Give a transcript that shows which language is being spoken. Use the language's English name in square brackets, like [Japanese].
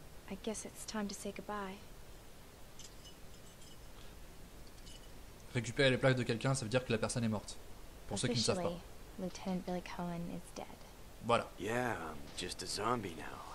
[English] I guess it's time to say goodbye. [French] Récupérer les plaques de quelqu'un, ça veut dire que la personne est morte. Pour ceux qui ne savent pas. [English] Lieutenant Billy Cohen is dead. [French] Voilà. [English] Yeah, I'm just a zombie now.